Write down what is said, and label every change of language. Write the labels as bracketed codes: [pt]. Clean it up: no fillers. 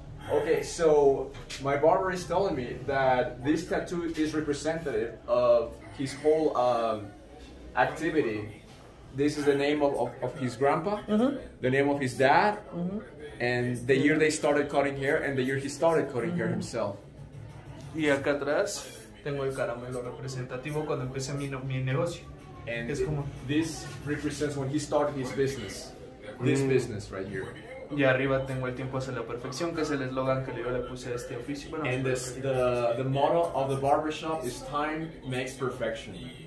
[en] Okay, so my barber is telling me that this tattoo is representative of his whole activity. This is the name of his grandpa, mm-hmm. the name of his dad, mm-hmm. and the year they started cutting hair, and the year he started cutting mm-hmm. hair himself. [es] Y acá atrás tengo el caramelo representativo cuando empecé mi negocio. [en] And [es] es como... [en] this represents when he started his business, this mm. business right here. [es] Y arriba tengo el tiempo hacia la perfección, que es el eslogan que yo le puse a este oficio. Bueno, [en] and this, the motto of the barbershop is time makes perfection.